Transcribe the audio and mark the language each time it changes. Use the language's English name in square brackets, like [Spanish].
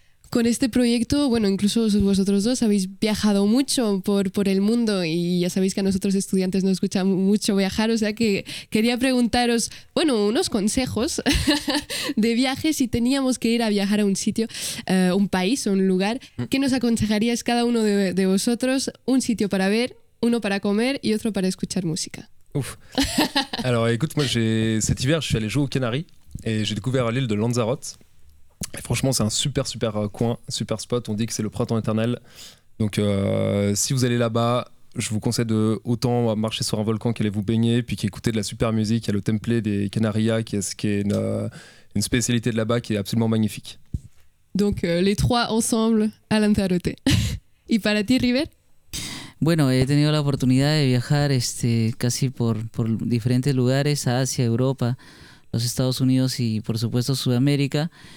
[Spanish] con este proyecto, bueno, incluso vosotros dos habéis viajado mucho por el mundo y ya sabéis que a nosotros estudiantes nos gusta mucho viajar, o sea que quería preguntaros, bueno, unos consejos de viaje si teníamos que ir a viajar a un sitio, un país o un lugar. ¿Qué nos aconsejaríais cada uno de vosotros? Un sitio para ver, uno para comer y otro para escuchar música. Uf. [French] Alors écoute, moi j'ai cet hiver, je suis allé jouer aux Canaries et j'ai découvert l'île de Lanzarote. Et franchement, c'est un super super coin, super spot. On dit que c'est le printemps éternel. Donc, si vous allez là-bas, je vous conseille de autant marcher sur un volcan qu'aller vous baigner, puis qu'écouter de la super musique. Il y a le temple des Canarias, qui est une spécialité de là-bas, qui est absolument magnifique. Donc, les trois ensemble à Lanzarote. [Spanish] Et para ti, River? Bueno, he tenido la oportunidad de viajar, casi por diferentes lugares, Asia, Europa, los Estados Unidos y, por supuesto, Sudamérica.